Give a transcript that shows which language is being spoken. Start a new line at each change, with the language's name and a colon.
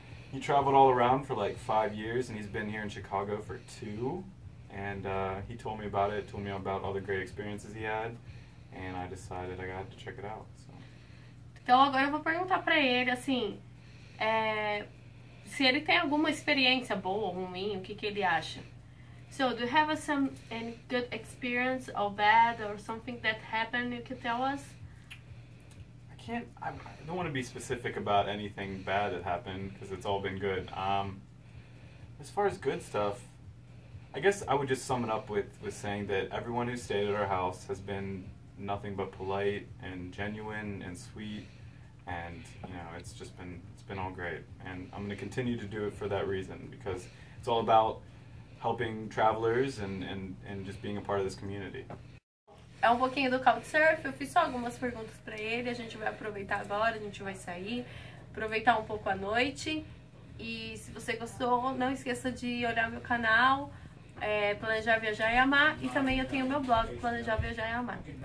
English: He traveled all around for like 5 years and he's been here in Chicago for 2. And he told me about it, told me about all the great experiences he had. And I decided I got to check it out. So.
Portuguese: Então agora eu vou perguntar pra ele assim, se ele tem alguma experiência boa ou ruim, o que ele acha?
English: So, do you have any good experience or bad or something that happened you can tell us? I don't want to be specific about anything bad that happened because it's all been good. As far as good stuff, I guess I would just sum it up with saying that everyone who stayed at our house has been nothing but polite and genuine and sweet. And, you know, it's been all great. And I'm going to continue to do it for that reason, because it's all about helping travelers and just being a part of this community.
Portuguese: É um pouquinho do Couchsurf, eu fiz só algumas perguntas para ele, a gente vai aproveitar agora, a gente vai sair, aproveitar um pouco a noite. E se você gostou, não esqueça de olhar meu canal, Planejar, Viajar e Amar, e também eu tenho meu blog, Planejar, Viajar e Amar.